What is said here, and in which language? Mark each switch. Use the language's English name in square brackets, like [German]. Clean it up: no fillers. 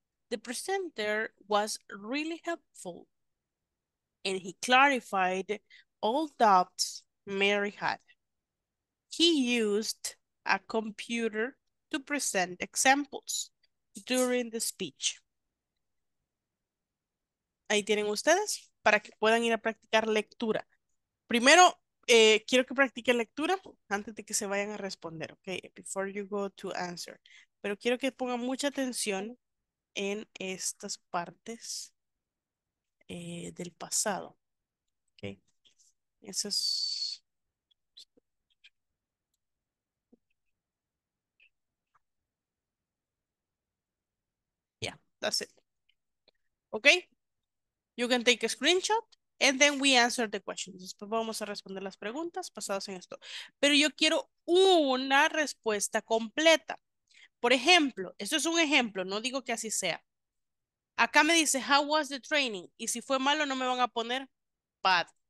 [English] The presenter was really helpful and he clarified all doubts Mary had. He used a computer to present examples during the speech. [Spanish] Ahí tienen ustedes para que puedan ir a practicar lectura. Primero, quiero que practiquen lectura antes de que se vayan a responder, okay? [English] Before you go to answer. [Spanish] Pero quiero que pongan mucha atención en estas partes del pasado, okay? Eso es. [English] That's it. Okay? You can take a screenshot and then we answer the questions. [Spanish] Después vamos a responder las preguntas basadas en esto. Pero yo quiero una respuesta completa. Por ejemplo, esto es un ejemplo, no digo que así sea. Acá me dice, [English] how was the training? [Spanish] Y si fue malo, no me van a poner bad.